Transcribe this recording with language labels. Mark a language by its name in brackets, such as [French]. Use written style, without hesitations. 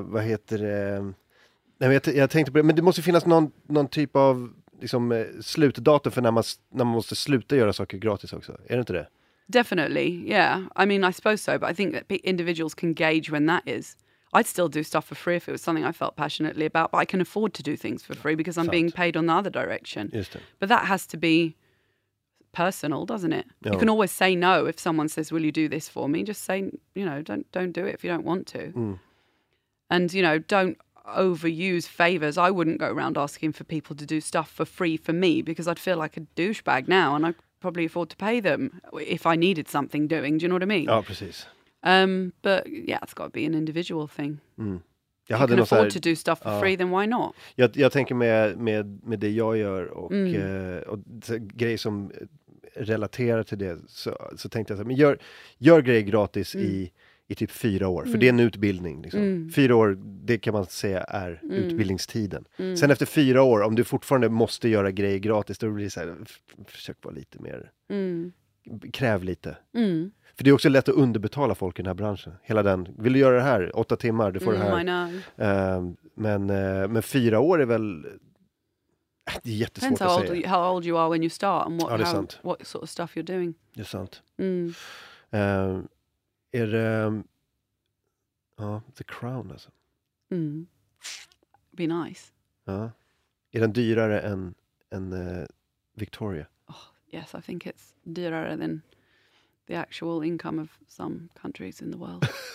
[Swedish] Vad heter det? Jag tänkte på det. Men det måste finnas någon typ av liksom slutdatum för när man måste sluta göra saker gratis också. Är det inte det? [English] Definitely, yeah. I mean, I suppose so, but I think that individuals can gauge when that is. I'd still do stuff for free if it was something I felt passionately about, but I can afford to do things for free because I'm being paid on the other direction. [Swedish] Just det. [English] But that has to be personal, doesn't it? Ja. You can always say no if someone says, will you do this for me? Just say, you know, don't do it if you don't want to. Mm. And, you know, don't overuse favors. I wouldn't go around asking for people to do stuff for free for me because I'd feel like a douchebag now and I probably afford to pay them if I needed something doing. Do you know what I mean? [Swedish] Ja, precis. [English] But yeah, it's got to be an individual thing. Mm. [Swedish] Jag hade [English] you can afford to do stuff for free, then why not? [Swedish] Jag tänker med det jag gör och grejer som relaterar till det, så tänkte jag så här, men gör grejer gratis i typ 4 år, för det är en utbildning liksom. 4 år, det kan man säga är utbildningstiden. Sen efter 4 år, om du fortfarande måste göra grejer gratis, då blir det så här, försök vara lite mer, kräv lite. För det är också lätt att underbetala folk i den här branschen. Hela den, vill du göra det här, 8 timmar, du får det här. Men 4 år är väl, det är jättesvårt att säga. [English] Depends how old you are when you start and what sort of stuff you're doing. [Swedish] Det är sant. Mm. Är det, ja, The Crown alltså. [English] Be nice. [Swedish] Ja. Är den dyrare än Victoria? [English] Oh, yes, I think it's dyrare than the actual income of some countries in the world.